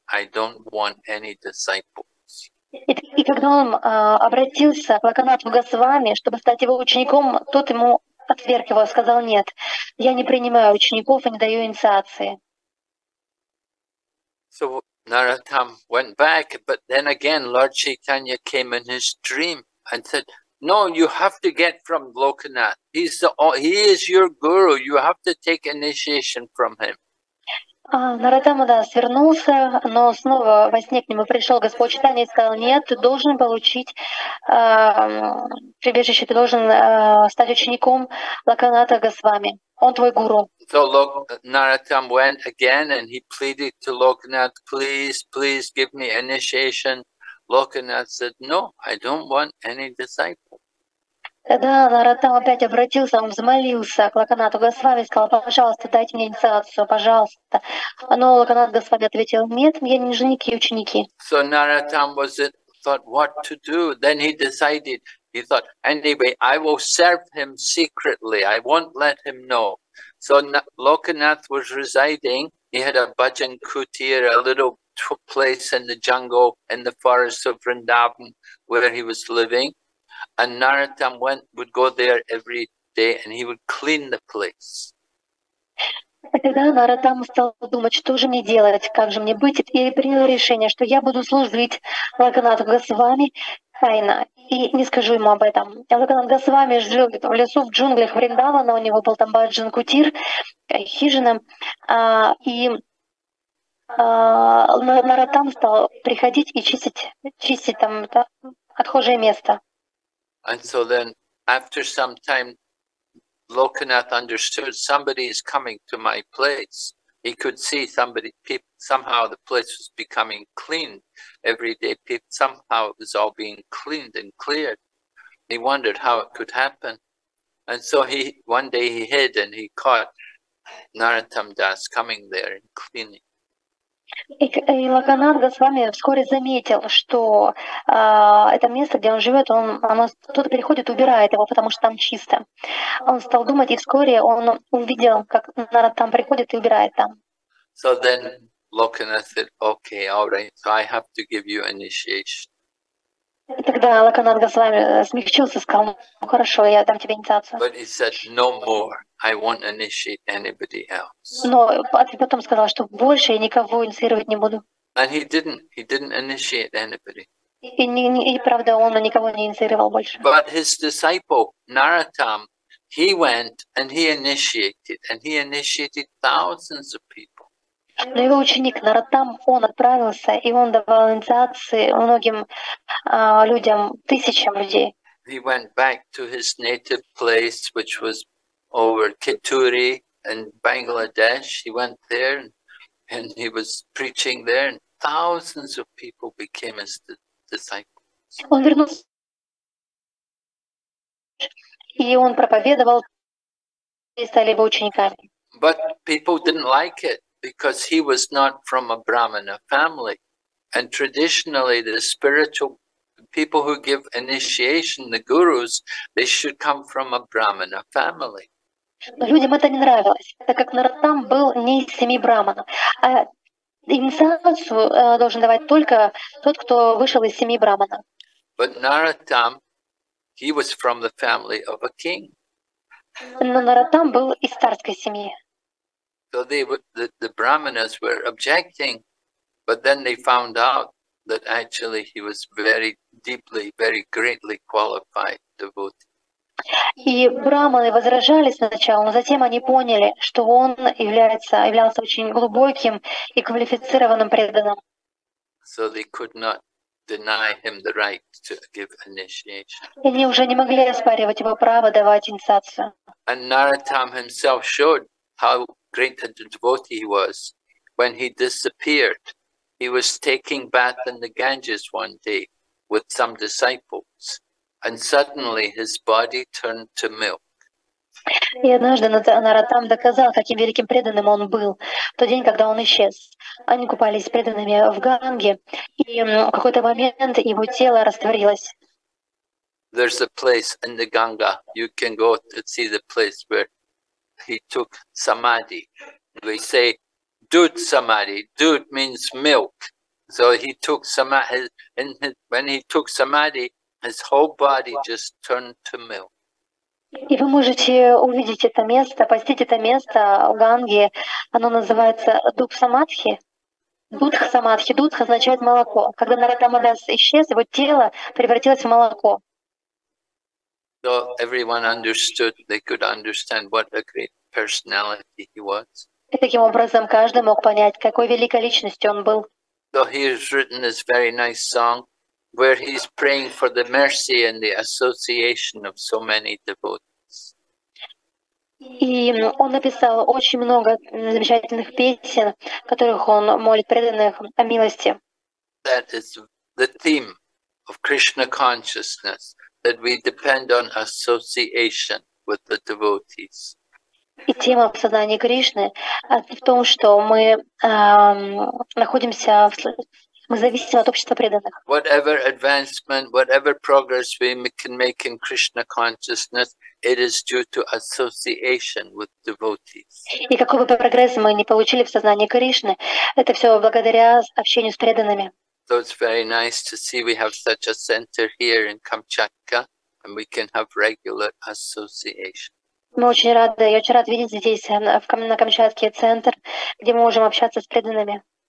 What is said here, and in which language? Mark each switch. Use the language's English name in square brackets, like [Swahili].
[English] I don't want any disciples. [Russian] И когда он обратился к Локанатху Госвами, чтобы стать его учеником, тот ему отверг его, сказал, нет, я не принимаю учеников и не даю инициации. [English] So Narottam went back, but then again Lord Chaitanya came in his dream and said, no, you have to get from Lokanath. He is your guru. You have to take initiation from him. [Russian] Нараттама Дас вернулся, но снова во сне к нему пришел Господь Чайтанья и сказал, нет, ты должен получить прибежище, ты должен стать учеником Локанатха Госвами. Он твой гуру. [English] So Narottam went again and he pleaded to Lokanath, please, please give me initiation. Lokanath said, no, I don't want any disciples. [Russian] Тогда Нараттам опять обратился, он взмолился к Локанатху Госвами и сказал, пожалуйста, дайте мне инициацию, пожалуйста. Но Локанатха Госвами ответил, нет, я не ученики, ученики. [English] So Narottam was it, thought, what to do? Then he decided, he thought, anyway, I will serve him secretly, I won't let him know. So Lokanath was residing, he had a bhajan kutir, a little place in the jungle, in the forest of Vrindavan, where he was living. And Narottam would go there every day, and he would clean the place. [Russian] Тогда Нараттам стал думать, что же мне делать, как же мне быть, и принял решение, что я буду служить Локанатху Госвами тайно, и не скажу ему об этом. Локанатха Госвами жил в лесу, в джунглях Вриндавана, у него был там бхаджан кутир, хижина, Нараттам стал приходить и чистить там отхожее место. [English] And so then, after some time, Lokanath understood somebody is coming to my place. He could see somebody, somehow the place was becoming cleaned every day. Somehow it was all being cleaned and cleared. He wondered how it could happen. And so one day he hid and he caught Narottam Das coming there and cleaning. [Russian] И Локанатх Госвами вскоре заметил, что это место, где он живет, кто-то приходит, убирает его, потому что там чисто. Он стал думать, и вскоре он увидел, как народ там приходит и убирает там. [English] So then Lokanath said, okay, all right, so I have to give you initiation. [Russian] И тогда Локонат Госвами смягчился, сказал, ну хорошо, я дам тебе инициацию. [English] But he said, no more. I won't initiate anybody else. [Russian] Но потом сказал, что больше я никого инициировать не буду. [English] And he didn't initiate anybody. [Russian] И правда, он никого не инициировал больше. [English] But his disciple, Narottam, he went and he initiated, and he initiated thousands of people. [Russian] Но его ученик Нараттам, он отправился, и он давал инициации многим людям, тысячам людей. [English] He went back to his native place, which was over Kitturi in Bangladesh. He went there and he was preaching there, and thousands of people became his disciples. [Russian] Он вернулся. И он проповедовал, и стали его учениками. [English] But people didn't like it because he was not from a Brahmana family. And traditionally, the spiritual people who give initiation, the gurus, they should come from a Brahmana family. [Russian] Но людям это не нравилось, так как Нараттам был не из семьи Брахмана. А инициацию должен давать только тот, кто вышел из семьи Брахмана. [English] But Narottam, he was from the family of a king. [Russian] Но Нараттам был из царской семьи. [English] So they were, the Brahmanas were objecting, but then they found out that actually he was very deeply, very greatly qualified devotee. [Russian] И Брахманы возражали сначала, но затем они поняли, что он являлся очень глубоким и квалифицированным преданным. [English] So they could not deny him the right to give initiation. [Russian] И они уже не могли оспаривать его право давать инициацию. [English] And Narottam himself showed how great a devotee he was. When he disappeared, he was taking bath in the Ganges one day with some disciples. And suddenly his body turned to milk. [Russian] И однажды Нараттам доказал, каким великим преданным он был. В тот день, когда он исчез, они купались с преданными в Ганге, и в какой-то момент его тело растворилось. [English] There's a place in the Ganga. You can go to see the place where he took samadhi. We say dud samadhi. Dud means milk. So he took samadhi. When he took samadhi, his whole body just turned to milk. [Russian] И вы можете увидеть это место, посетить это место в Ганге. Оно называется Дух Самадхи. Дудх Самадхи. Дудх означает молоко. Когда Нараттамадас исчез, его тело превратилось в молоко. [English] So everyone understood, they could understand what a great personality he was. [Russian] И таким образом каждый мог понять, какой великой личностью он был. [English] So he has written this very nice song, where he's praying for the mercy and the association of so many devotees. [Russian] И он написал очень много замечательных песен, в которых он молит преданных о милости. [English] That is the theme of Krishna consciousness, that we depend on association with the devotees. [Russian] И тема в сознании Кришны в том, что мы находимся в... Мы зависим от общества преданных. [English] Whatever advancement, whatever progress we can make in Krishna consciousness, it is due to association with devotees. [Russian] И какой бы прогресс мы ни получили в сознании Кришны, это все благодаря общению с преданными. [English] So it's very nice to see we have such a center here in Kamchatka, and we can have regular association. [Russian] Мы очень рады, я очень рад видеть здесь на Камчатке центр, где мы можем общаться с преданными.